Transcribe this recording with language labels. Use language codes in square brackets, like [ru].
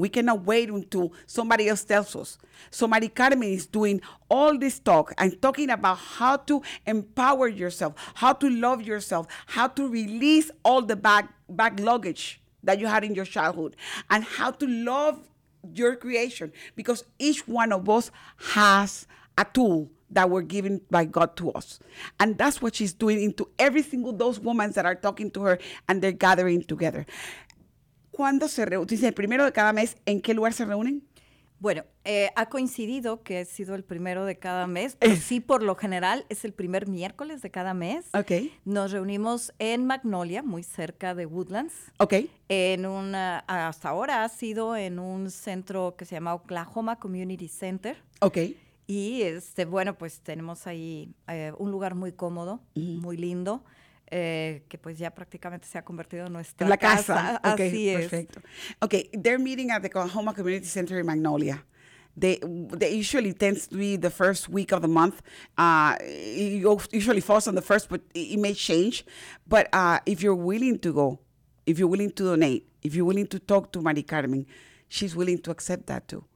[en] We cannot wait until somebody else tells us. So Mari Carmen is doing all this talk and talking about how to empower yourself, how to love yourself, how to release all the bag luggage that you had in your childhood, and how to love your creation, because each one of us has a tool that were given by God to us. And that's what she's doing into every single those women that are talking to her and they're gathering together. [es] ¿Cuándo se reúnen? ¿El primero de cada mes en qué lugar se reúnen? Bueno, ha coincidido que ha sido el primero de cada mes. Sí, por lo general es el primer miércoles de cada mes. Okay. Nos reunimos en Magnolia, muy cerca de Woodlands. Okay. Hasta ahora ha sido en un centro que se llama Oklahoma Community Center. Okay. Y, pues tenemos ahí un lugar muy cómodo, muy lindo, que pues ya prácticamente se ha convertido en nuestra casa. La casa. Okay, así es. Perfecto. [en] Okay, they're meeting at the Oklahoma Community Center in Magnolia. They usually tends to be the first week of the month. It usually falls on the first, but it may change. But if you're willing to go, if you're willing to donate, if you're willing to talk to Mari Carmen, she's willing to accept that too.